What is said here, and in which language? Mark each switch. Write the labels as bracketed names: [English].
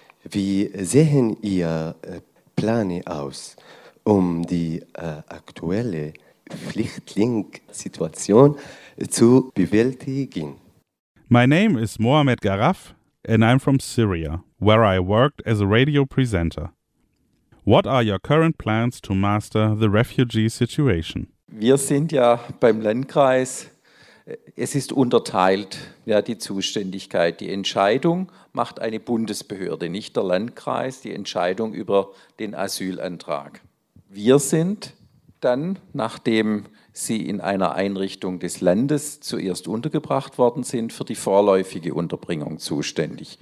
[German] Wie sehen Ihre Pläne aus, um die aktuelle Flüchtlingssituation zu bewältigen? [English] My name is Mohammed Karaf, and I'm from Syria, where I worked as a radio presenter. What are your current plans to master the refugee situation? [German] Wir sind ja beim Landkreis, es ist unterteilt, ja, die Zuständigkeit. Die Entscheidung macht eine Bundesbehörde, nicht der Landkreis, die Entscheidung über den Asylantrag. Wir sind dann, nachdem sie in einer Einrichtung des Landes zuerst untergebracht worden sind, für die vorläufige Unterbringung zuständig.